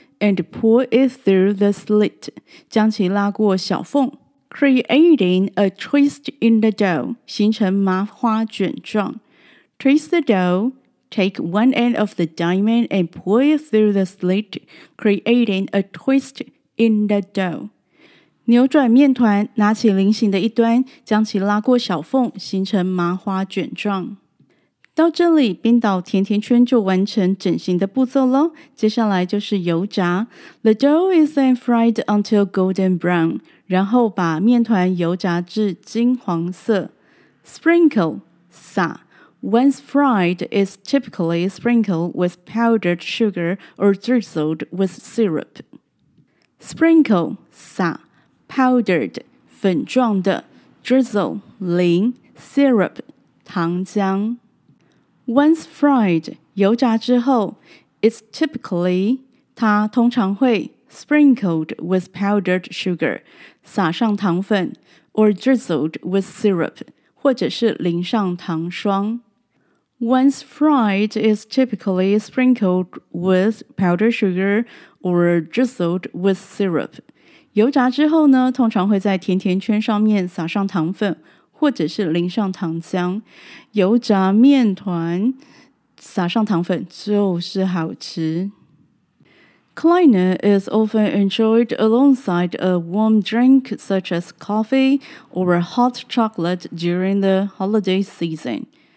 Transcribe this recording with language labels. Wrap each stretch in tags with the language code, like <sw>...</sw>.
<en>And pull it through the slit,</en> <zh>将其拉过小缝。</zh> <en>Creating a twist in the dough,</en> <zh>形成麻花卷状。</zh> <en>Twist the dough, take one end of the diamond and pull it through the slit, creating a twist in the dough.</en> <zh>扭转面团，拿起菱形的一端，将其拉过小缝，形成麻花卷状。到这里，冰岛甜甜圈就完成整形的步骤咯。接下来就是油炸。</zh> <en>The dough is then fried until golden brown.</en> <zh>然后把面团油炸至金黄色。</zh> <en>Sprinkle, 撒。 Once fried, is typically sprinkled with powdered sugar or drizzled with syrup. Sprinkle, 撒。Powdered, 粉状的。 Drizzle, 淋。Syrup, 糖浆。 Once fried,</en> <zh>油炸之后。</zh> <en>Is typically,</en> <zh>它通常会。</zh> <en>Sprinkled with powdered sugar,</en> <zh>撒上糖粉</zh> <en>or drizzled with syrup,</en> <zh>或者是淋上糖霜。</zh> <en>Once fried is typically sprinkled with powdered sugar or drizzled with syrup.</en> <zh>油炸之后呢，通常会在甜甜圈上面撒上糖粉或者是淋上糖浆。油炸面团撒上糖粉就是好吃。</zh> <en>Kleiner is often enjoyed alongside a warm drink such as coffee or hot chocolate during the holiday season.</en>